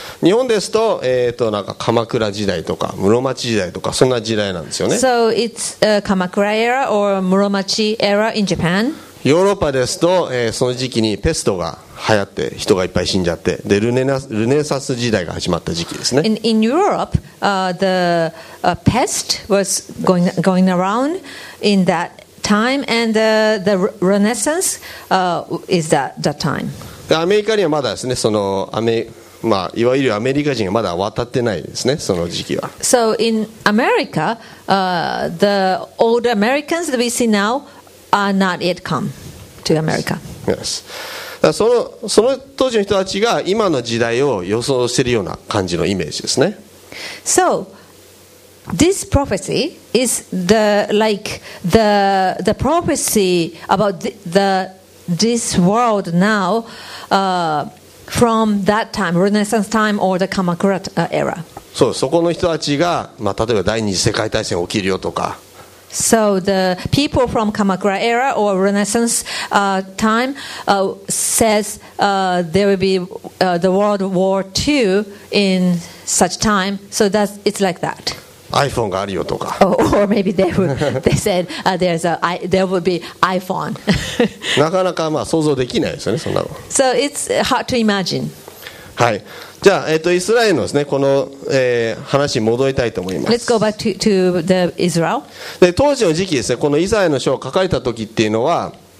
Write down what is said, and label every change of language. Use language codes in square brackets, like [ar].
[ja] 日本ですと、なんか鎌倉時代とか室町時代とかそんな時代なんですよね。 [en] So it's Kamakura era or Muromachi era in Japan. [ja] ヨーロッパですと、その時期にペストが流行って人がいっぱい死んじゃってでルネサス時代が始まった時期ですね。 [en] In Europe, the pest was going around in that. Time and the Renaissance is that time. [ja] アメリカにはまだですね、その、まあ、いわゆるアメリカ人がまだ渡ってないですね、その時期は。 [en] So in America, the old Americans that we see now are not yet come to America. Yes. [ja] その当時の人たちが今の時代を予想しているような感じのイメージですね。 [en] So,This prophecy is the like the prophecy about this world now from that time Renaissance time or the Kamakura era. [ja] そう、そこの人たちがまあ例えば第二次世界大戦起きるよとか。 [en] So the people from Kamakura era or Renaissance time says there will be the World War II in such time. So that's, it's like that. [ja] iPhone があるよとか。 [en] Oh, or maybe they said there's a there will be iPhone. [ja] なかなかまあ想像できないですよね、そんなの。 [en] So it's hard to imagine. [ja] はい。じゃあ、イスラエルのですね、この、話に戻りたいと思います。 [en] Let's go back to the Israel. [ja] で、当時の時期ですね、このイザヤの書を書かれた時っていうのは、